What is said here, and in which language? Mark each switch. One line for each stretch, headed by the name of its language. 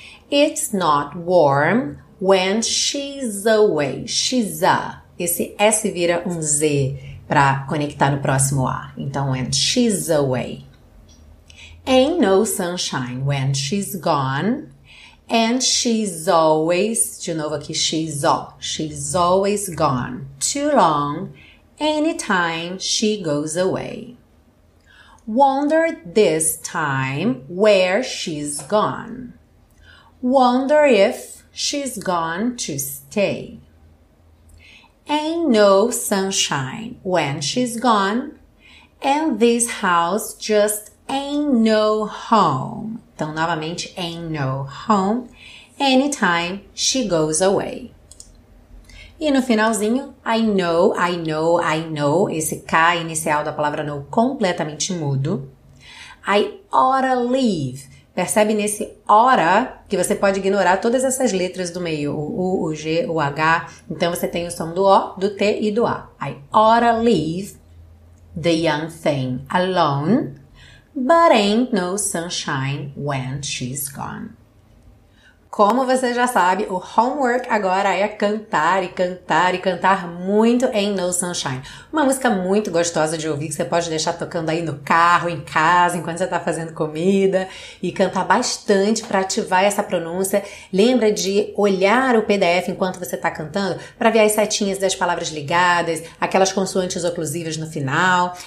English: It's not warm when she's away. She's a.
Portuguese: Esse S vira um Z para conectar no próximo A. Então,
English: when she's away. Ain't no sunshine when she's gone. And she's always,
Portuguese: de novo aqui,
English: she's always gone too long anytime she goes away. Wonder this time where she's gone. Wonder if she's gone to stay. Ain't no sunshine when she's gone. And this house just ain't no home.
Portuguese: Então, novamente,
English: ain't no home anytime she goes away.
Portuguese: E no finalzinho,
English: I know, I know, I know.
Portuguese: Esse K inicial da palavra know completamente mudo.
English: I oughta leave.
Portuguese: Percebe nesse ora que você pode ignorar todas essas letras do meio. O U, o G, o H. Então, você tem o som do O, do T e do A.
English: I oughta leave the young thing alone. But ain't no sunshine when she's gone.
Portuguese: Como você já sabe, o homework agora é cantar e cantar e cantar muito Ain't No Sunshine. Uma música muito gostosa de ouvir, que você pode deixar tocando aí no carro, em casa, enquanto você está fazendo comida. E cantar bastante para ativar essa pronúncia. Lembra de olhar o PDF enquanto você está cantando, para ver as setinhas das palavras ligadas, aquelas consoantes oclusivas no final.